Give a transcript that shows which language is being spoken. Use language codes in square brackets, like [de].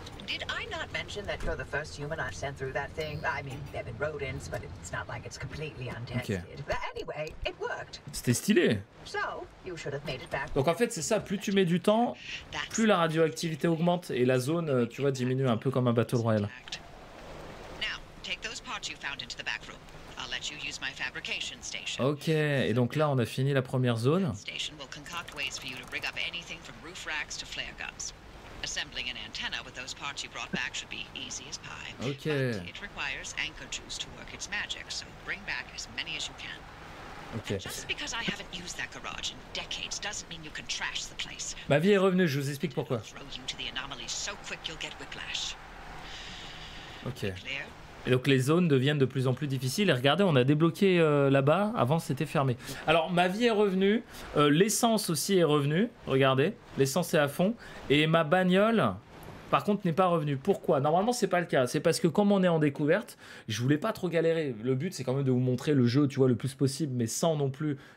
[en] Did I not mention that you're the first human I've sent through that thing? I mean, there've been rodents, but it's not like it's completely untested. Okay. But anyway, it worked. [fr] C'était stylé. [en] So, you should have made it back. [fr] Donc en fait, c'est ça, plus tu mets du temps, plus la radioactivité augmente et la zone, tu vois, diminue un peu comme un battle royale. [en] Now, take those parts you found into the back room. I'll let you use my fabrication station. [fr] Ok, et donc là on a fini la première zone. [en] Station will concoct ways for you to rig up anything from roof racks to flare guns. Assembling an antenna with those parts you brought back should be easy as pie. Ok. It requires anchor juice to work its magic, so bring back as many as you can. Okay. Just because I haven't used that garage in decades doesn't mean you can trash the place. [fr] Ma vie est revenue, je vous explique pourquoi. [en] Throw you to the anomaly so quick you'll get whiplash. Ok. [fr] Et donc les zones deviennent de plus en plus difficiles. Et regardez, on a débloqué là-bas. Avant, c'était fermé. Alors, ma vie est revenue. L'essence aussi est revenue. Regardez, l'essence est à fond. Et ma bagnole, par contre, n'est pas revenue. Pourquoi? Normalement, ce n'est pas le cas. C'est parce que comme on est en découverte, je ne voulais pas trop galérer. Le but, c'est quand même de vous montrer le jeu, tu vois, le plus possible, mais sans non plus...